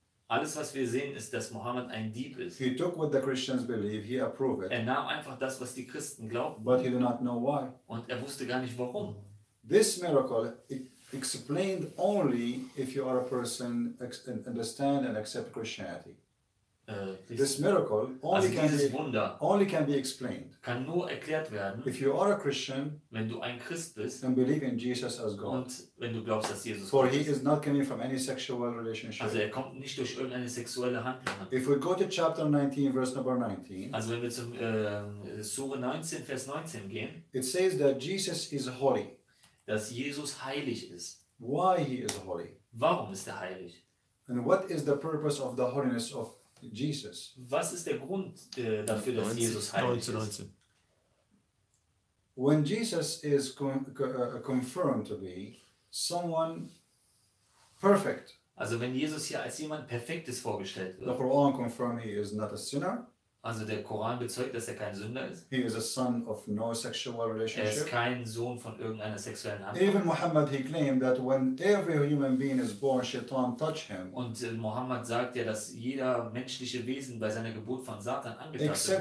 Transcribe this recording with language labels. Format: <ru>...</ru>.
<de>Alles was wir sehen ist, dass Muhammad ein Dieb ist.</de> <en>He took what the Christians believe, he approved it.</en> <de>Er nahm einfach das, was die Christen glaubten.</de> <en>But he did not know why.</en> <de>Und er wusste gar nicht warum.</de> <en>This miracle explained only if you are a person understand and accept Christianity. this miracle only can be</en> <de>Wunder</de> <en>only can be explained.</en> <de>Kann nur erklärt werden.</de> <en>If you are a Christian,</en> <de>wenn du ein Christ bist,</de> <en>then believe in Jesus as God.</en> <de>Und wenn du glaubst, dass Jesus</de> <en>For Christ he is not coming from any sexual relationship.</en> <de>Also er kommt nicht durch irgendeine sexuelle Handlung.</de> <en>If we go to chapter 19, verse number 19.</en> <de>Also wenn wir zum Sure 19, Vers 19 gehen.</de> <en>It says that Jesus is holy.</en> <de>Dass Jesus heilig ist.</de> <en>Why he is holy?</en> <de>Warum ist er heilig?</de> <en>And what is the purpose of the holiness of Jesus?</en> <de>Was ist der Grund dafür, dass 19, Jesus heilig 19, 19. ist?</de> <en>When Jesus is confirmed to be someone perfect.</en> <de>Also wenn Jesus hier als jemand Perfektes vorgestellt wird.</de> <en>The Quran confirms he is not a sinner.</en> <de>Also der Koran bezeugt, dass er kein Sünder ist.</de> <en>He is a son of no sexual relationship.</en> <de>Er ist kein Sohn von irgendeiner sexuellen Handlung.</de> <en>Even Muhammad he claimed that when every human being is born, Shaitan touch him.</en> <de>Und Muhammad sagt ja, dass jeder menschliche Wesen bei seiner Geburt von Satan angetastet</de>